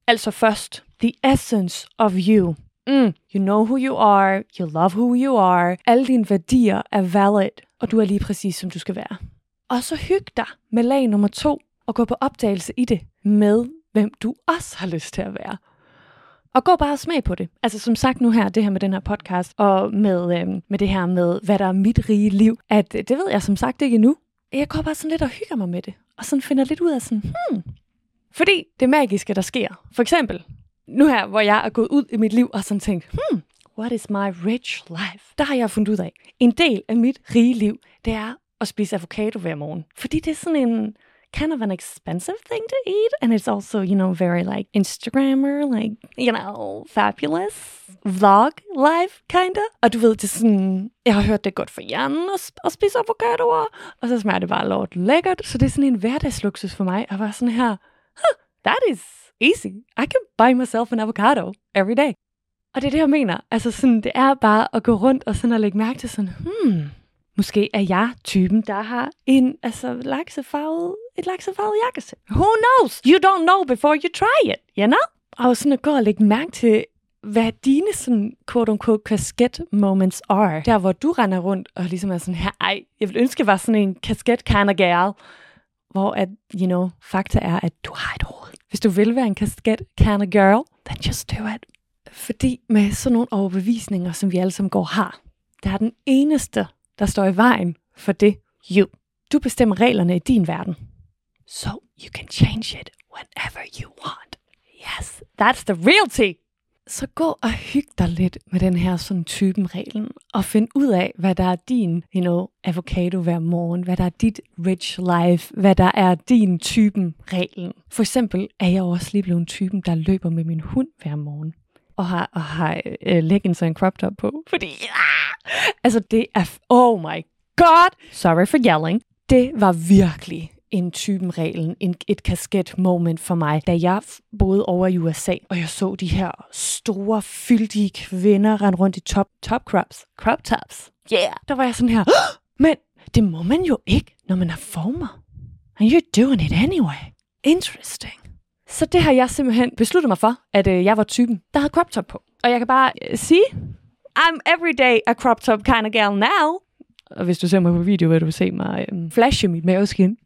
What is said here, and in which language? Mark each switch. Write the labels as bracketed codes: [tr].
[da] Altså først, [en] the essence of you. Mm. You know who you are, you love who you are. [da] Alle dine værdier er valid, og du er lige præcis, som du skal være. Og så hyg dig med lag nummer to, og gå på opdagelse i det med, hvem du også har lyst til at være. Og gå bare og smag på det. Altså som sagt nu her, det her med den her podcast, og med det her med, hvad der er mit rige liv, at det ved jeg som sagt ikke endnu. Jeg går bare sådan lidt og hygger mig med det, og sådan finder lidt ud af sådan, Fordi det magiske, der sker, for eksempel, nu her, hvor jeg er gået ud i mit liv og sådan tænkt, [en] what is my rich life? [da] Der har jeg fundet ud af, en del af mit rige liv, det er at spise avocado hver morgen. Fordi det er sådan en [en] kind of an expensive thing to eat, and it's also, you know, very like Instagrammer, like, you know, fabulous vlog life, kinda. [da] Og du ved, det er sådan, jeg har hørt, det er godt for hjernen at spise avocadoer, og så smager det bare lort lækkert. Så det er sådan en hverdagsluksus for mig at være sådan her, [en] that is easy. I can buy myself an avocado every day. [da] Og det er det, jeg mener. Altså sådan, det er bare at gå rundt og sådan at lægge mærke til sådan, måske er jeg typen, der har et laksefarvet jakkesæt. [en] Who knows? You don't know before you try it, you know? [da] Og sådan at gå og lægge mærke til, hvad dine sådan, quote-unquote, [en] casket moments are. [da] Der, hvor du render rundt og ligesom er sådan her, ej, jeg vil ønske, at være sådan en casket [en] kind of girl. [da] Hvor at, [en] you know, [da] fakta er, at du har et hoved. Hvis du vil være en casket [en] kind of girl, then just do it. [da] Fordi med sådan nogle overbevisninger, som vi alle sammen går har, der er den eneste, der står i vejen for det. [en] You. [da] Du bestemmer reglerne i din verden. [en] So you can change it whenever you want. Yes, that's the real tea. [da] Så gå og hyg dig lidt med den her sådan typen reglen, og find ud af, hvad der er din, [en] you know, [da] avocado hver morgen, hvad der er dit [en] rich life, [da] hvad der er din typen reglen. For eksempel er jeg også lige blevet en typen, der løber med min hund hver morgen, og har leggings og en crop top på, fordi, altså det er, [en] oh my god, sorry for yelling, [da] det var virkelig en typen reglen, et kasket moment for mig, da jeg boede over i USA, og jeg så de her store, fyldige kvinder rende rundt i top crops. [en] Crop tops. Yeah. [da] Der var jeg sådan her, men det må man jo ikke, når man er former. [en] And you're doing it anyway. Interesting. [da] Så det har jeg simpelthen besluttet mig for, at jeg var typen, der havde crop top på. Og jeg kan bare sige, [en] I'm everyday a crop top kind of girl now. [da] Og hvis du ser mig på video, vil du se mig flashe mit maveskin.